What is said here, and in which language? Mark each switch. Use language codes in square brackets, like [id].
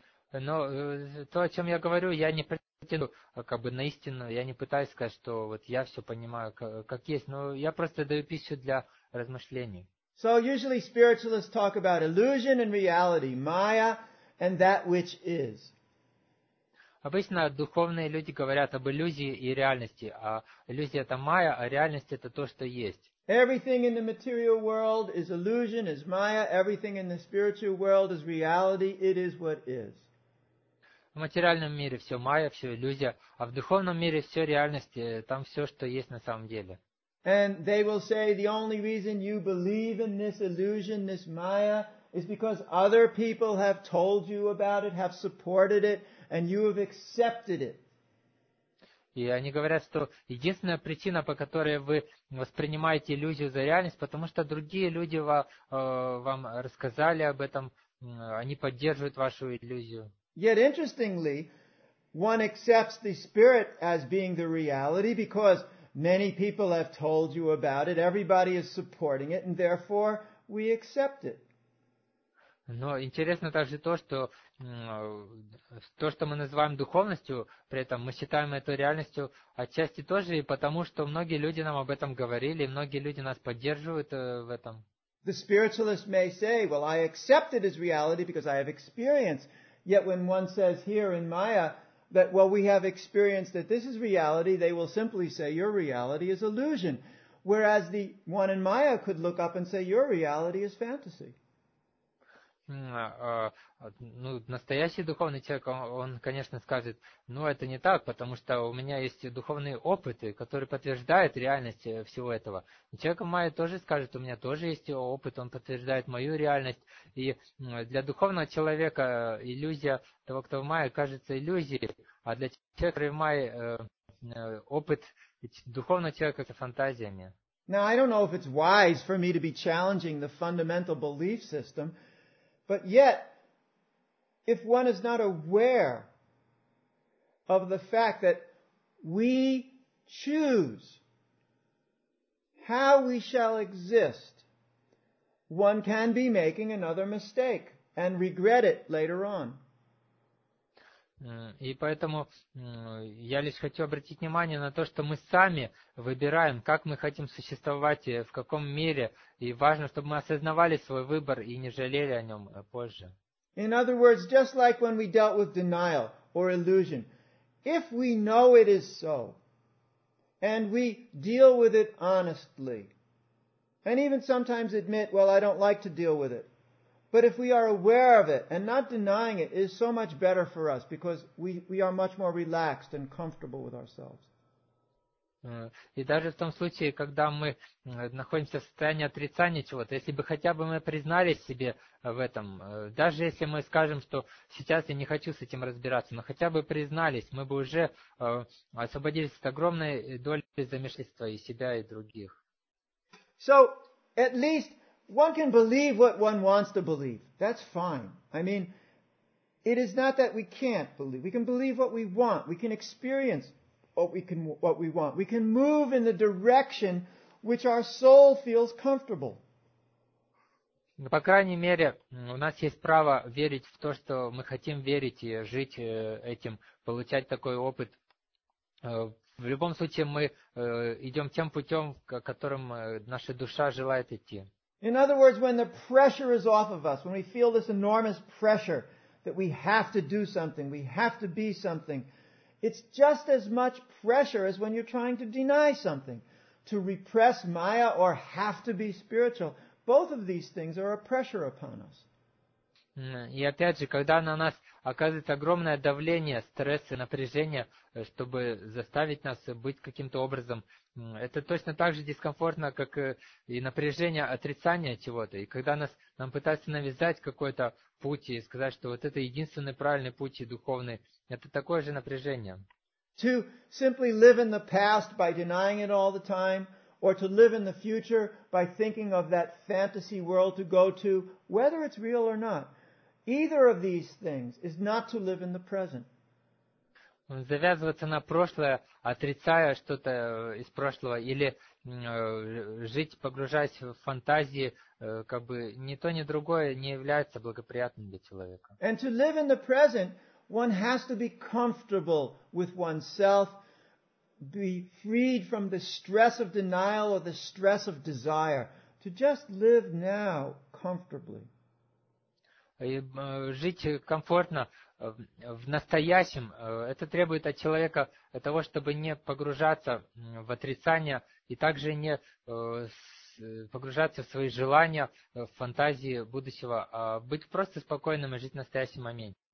[ru] Но то, о чем я говорю, я не претендую как бы на истину, я не пытаюсь сказать, что вот я все понимаю как есть, но я просто даю пищу для размышлений. [en] So usually spiritualists talk about illusion and reality, Maya and that which is. [ru] Обычно духовные люди говорят об иллюзии и реальности, а иллюзия это Майя, а реальность это то, что есть. [en] Everything in the material world is illusion, is Maya. Everything in the spiritual world is reality. It is what is. [ru] материальном мире все майя, все иллюзия, а в духовном мире все реальность, там все, что есть на самом деле. [en] And they will say the only reason you believe in this illusion, this Maya, is because other people have told you about it, have supported it, and you have accepted it. [ru] И они говорят, что единственная причина, по которой вы воспринимаете иллюзию за реальность, потому что другие люди вам рассказали об этом, они поддерживают вашу иллюзию. [en] Yet interestingly, one accepts the spirit as being the reality because many people have told you about it, everybody is supporting it, and therefore we accept it. [ru] Но интересно также то, что мы называем духовностью, при этом мы считаем эту реальностью отчасти тоже и потому, что многие люди нам об этом говорили, и многие люди нас поддерживают в этом. [en] The spiritualist may say, well, I accept it as reality because I have experience. Yet when one says here in Maya that, well, we have experience that this is reality, they will simply say your reality is illusion. Whereas the one in Maya could look up and say your reality is fantasy. [ru] Ну, настоящий духовный человек, он, конечно, скажет, ну, это не так, потому что у меня есть духовные опыты, которые подтверждают реальность всего этого. Человек Майя тоже скажет, у меня тоже есть опыт, он подтверждает мою реальность. И для духовного человека иллюзия того, кто в Майе, кажется иллюзией, а для человека, который в Майе, опыт духовного человека – это фантазиями. [en] Now, I don't know if it's wise for me to be challenging the fundamental belief system, but yet, if one is not aware of the fact that we choose how we shall exist, one can be making another mistake and regret it later on. [ru] И поэтому я лишь хочу обратить внимание на то, что мы сами выбираем, как мы хотим существовать, в каком мире, и важно, чтобы мы осознавали свой выбор и не жалели о нем позже. [en] In other words, just like when we dealt with denial or illusion, if we know it is so, and we deal with it honestly, and even sometimes admit, well, I don't like to deal with it, but if we are aware of it and not denying it, it is so much better for us because we are much more relaxed and comfortable with ourselves. [ru] И даже в том случае, когда мы находимся в состоянии отрицания чего-то, если бы хотя бы мы признались себе в этом, даже если мы скажем, что сейчас я не хочу с этим разбираться, но хотя бы признались, мы бы уже освободились от огромной доли замешательства и себя, и других. [en] So, at least one can believe what one wants to believe. That's fine. I mean, it is not that we can't believe. We can believe what we want. We can experience what we want. We can move in the direction which our soul feels comfortable. [ru] По крайней мере, у нас есть право верить в то, что мы хотим верить и жить этим, получать такой опыт. В любом случае, мы идем тем путем, которым наша душа желает идти. [en] In other words, when the pressure is off of us, when we feel this enormous pressure that we have to do something, we have to be something, it's just as much pressure as when you're trying to deny something. To repress Maya or have to be spiritual, both of these things are a pressure upon us. [ru] И опять же, когда на нас оказывается огромное давление, стресс и напряжение, чтобы заставить нас быть каким-то образом, это точно так же дискомфортно, как и напряжение отрицания чего-то. И когда нам пытаются навязать какой-то путь и сказать, что вот это единственный правильный путь и духовный, это такое же напряжение. [en] To simply live in the past by denying it all the time, or to live in the future by thinking of that fantasy world to go to, whether it's real or not. Either of these things is not to live in the present. [ru] Завязываться на прошлое, отрицая что-то из прошлого, или жить, погружаясь в фантазии, как бы ни то, ни другое не является благоприятным для человека. [en] And to live in the present, one has to be comfortable with oneself, be freed from the stress of denial or the stress of desire, to just live now comfortably. [ru] И жить комфортно в настоящем, это требует от человека того, чтобы не погружаться в отрицание и также не погружаться в свои желания, в фантазии будущего, а быть просто спокойным и жить в настоящем моменте.